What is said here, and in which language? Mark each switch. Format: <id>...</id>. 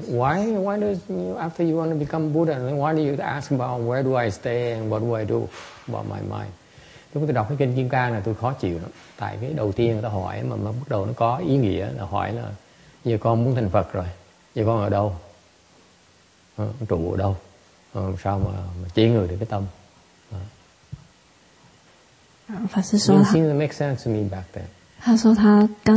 <en>Why does you, after you want to become Buddha, then why do you ask about where do I stay and what do I do about my mind?</en> <vi>Lúc tôi đọc cái kinh Kim Cang là tôi khó chịu lắm. Tại cái đầu tiên người ta hỏi mà bắt đầu nó có ý nghĩa là hỏi là giờ con muốn thành Phật rồi, giờ con ở đâu, trụ ở đâu, sao mà chế ngự được cái tâm?</vi> <en>Seems to make sense to me back then.</en>